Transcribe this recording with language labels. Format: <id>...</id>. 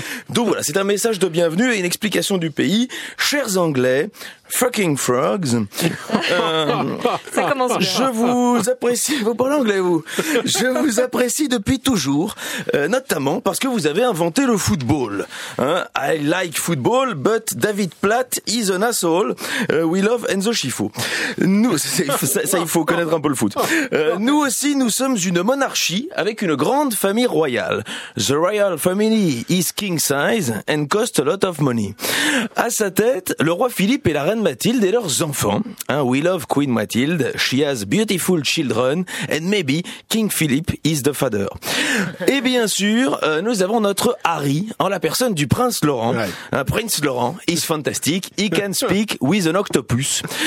<fr>Donc voilà, c'est un message de bienvenue et une explication du pays. Chers Anglais,</fr> <en>fucking frogs.</en> <fr>Ça commence bien. Je vous apprécie. Vous parlez anglais, vous. Je vous apprécie depuis toujours, notamment parce que vous avez inventé le football.</fr> <en>Hein, I like football, but David Platt is an asshole. We love Enzo Schifo.</en> <fr>Il faut connaître un peu le foot. Nous aussi, nous sommes une monarchie avec une grande famille royale.</fr> <en>The royal family is king size and costs a lot of money.</en> <fr>À sa tête, le roi Philippe et la reine Mathilde et leurs enfants.</fr> <en>Hein, we love Queen Mathilde, she has beautiful children, and maybe King Philip is the father.</en> <fr>Et bien sûr, nous avons notre Harry, en la personne du Prince Laurent.</fr> <en>Prince Laurent is fantastic, he can speak with an octopus.</en>